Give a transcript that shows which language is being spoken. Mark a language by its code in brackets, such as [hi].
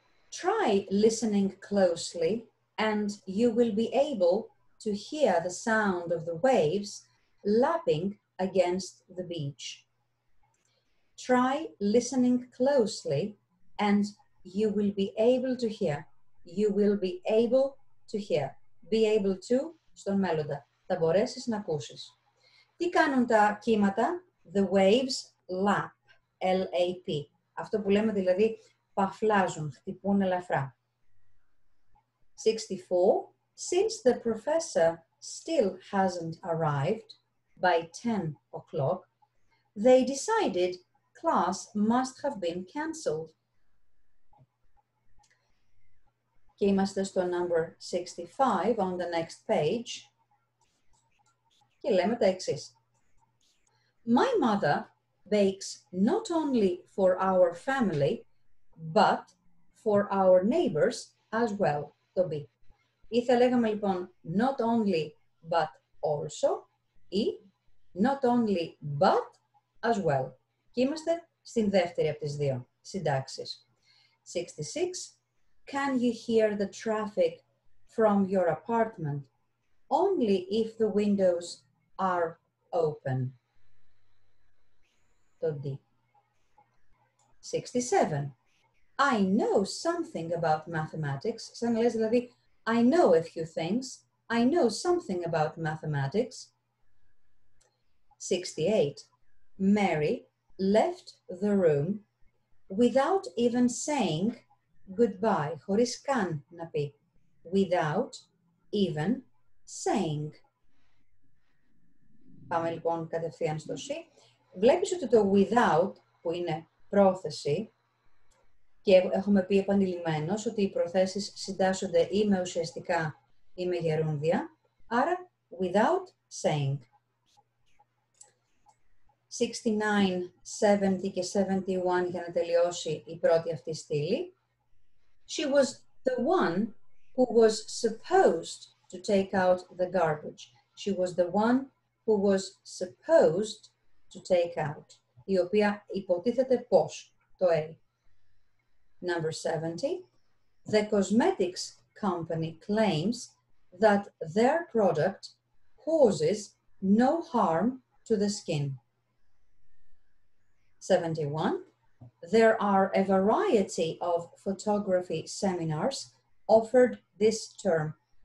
[en] 63. Try listening closely and you will be able to hear the sound of the waves lapping against the beach. Try listening closely and you will be able to hear. You will be able to hear. Be able to, [el] στον μέλλοντα. Θα μπορέσεις να ακούσεις. Τι κάνουν τα κύματα? [en] The waves lap. L-A-P. [el] Αυτό που λέμε δηλαδή παφλάζουν, χτυπούν ελαφρά. [en] 64. Since the professor still hasn't arrived by 10 o'clock, they decided class must have been cancelled. [el] Και είμαστε στο [en] number 65 on the next page. [el] Και λέμε τα εξής. [en] My mother bakes not only for our family, but for our neighbors as well. [el] Το B. Ή θα λέγαμε λοιπόν [en] not only, but also. Ή not only, but as well. [el] Και είμαστε στην δεύτερη από τις δύο συντάξεις. [en] 66. Can you hear the traffic from your apartment only if the windows are open? [el] Το D. [en] 67. I know something about mathematics. [el] Σαν λες δηλαδή, [en] I know a few things. I know something about mathematics. 68. Mary left the room without even saying goodbye, [el] χωρίς καν να πει, [en] without even saying. [el] Πάμε λοιπόν κατευθείαν στο C. Βλέπεις ότι το without, που είναι πρόθεση, και έχουμε πει επανειλημμένως ότι οι προθέσεις συντάσσονται ή με ουσιαστικά ή με γερούνδια, άρα without saying. 69, 70 και 71 για να τελειώσει η πρώτη αυτή στήλη. [en] She was the one who was supposed to take out the garbage. She was the one who was supposed to take out. [el] Η οποία υποτίθεται πως, το A. [en] Number 70. The cosmetics company claims that their product causes no harm to the skin. 71. There are a variety of photography seminars offered this term.